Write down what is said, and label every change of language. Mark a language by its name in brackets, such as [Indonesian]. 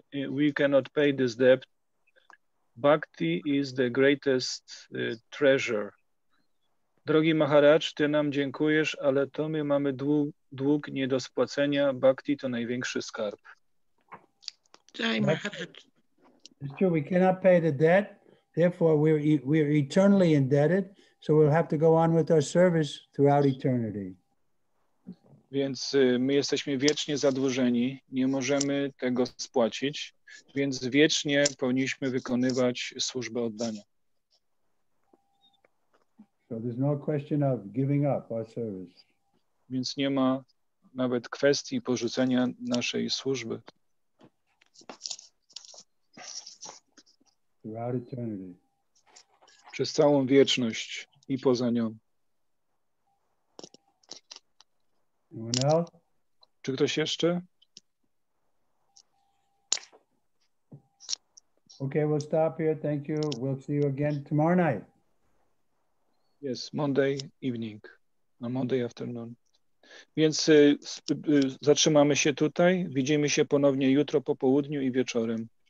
[English] We cannot pay this debt. Bhakti is the greatest treasure. [Polish] Drogi Maharaj, ty nam dziękujesz, ale to my mamy dług nie do spłacenia. Bhakti to największy skarb. [Sanskrit] Jai Maharaj. [English] It's true, we cannot pay the debt. Therefore, we're eternally indebted. So we'll have to go on with our service throughout eternity. [Polish] Więc my jesteśmy wiecznie zadłużeni. Nie możemy tego spłacić. Więc wiecznie powinniśmy wykonywać służbę oddania. [English] So there's no question of giving up our service. [Polish] Więc nie ma nawet kwestii porzucenia naszej służby. [English] Throughout eternity. [Polish] Przez całą wieczność i poza nią. [English] Anyone else? [Polish] Czy ktoś jeszcze? [English] Okay, we'll stop here. Thank you. We'll see you again tomorrow night. Yes, Monday evening. No, Monday afternoon. [Polish] Więc zatrzymamy się tutaj. Widzimy się ponownie jutro po południu i wieczorem.